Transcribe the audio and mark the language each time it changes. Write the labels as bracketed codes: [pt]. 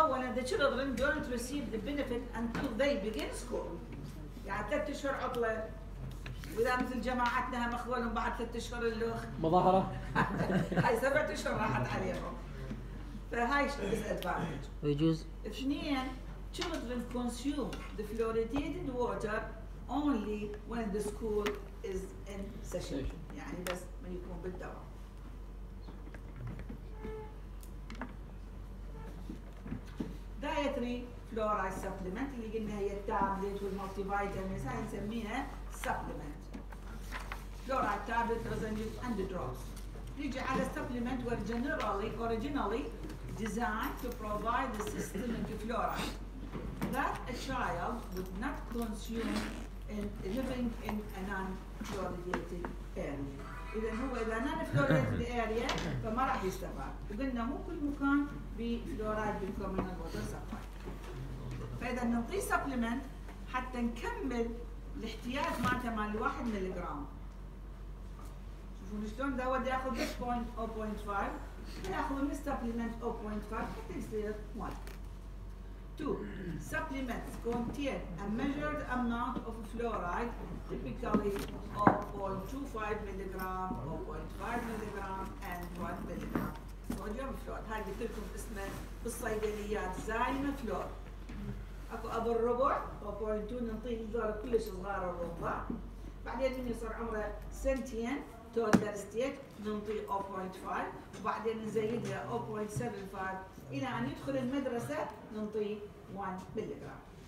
[ar] أولا [en] the children don't receive the benefit until they begin school. [ar] يعني ثلاثة أشهر عطلة وإذا مثل جماعتنا هم أخوانهم بعد ثلاثة أشهر اللوخ مظاهرة هاي سبعة أشهر راحت عليهم فهاي disadvantage. يجوز اثنين [en] children consume the fluoridated water only when the school is in session [ar] يعني بس من يكون بالدوام. [en] Dietary fluoride supplement [ar] اللي قلنا هي التابلت والمولتي فيتامينز هاي نسميها supplement. [en] Fluoride tablet doesn't use and the drops. [ar] نيجي على [en] supplement were generally originally designed to provide the systemic fluoride that a child would not consume in living in a non-fluoridated area. [ar] إذا هو إذا non-fluoridated area فما راح يستفاد. وقلنا مو كل مكان بفلوريد بالكومنال ووتر سبلاي. فإذا نعطي سبلمنت حتى نكمل الاحتياج مالته مال 1 ملي جرام. شوفوا شلون ده ودي ياخذ 0.5 ياخذ من سبلمنت 0.5 حتى يصير 1. [en] 2 supplements contain a measured amount of fluoride, typically 0.25 milligram, 0.5 milligram, and 1 milligram. Sodium fluoride. [ar] هاي قلت لكم اسمه بالصيدليات زايمة فلور. أكو أبو الربع 0.2 نعطيه هذول كلش صغار الربع. بعدين من يصير عمره سنتين توتال ستيت نعطيه 0.5 وبعدين نزيدها 0.75 إلى أن يدخل المدرسة نعطيه 1 مللي جرام.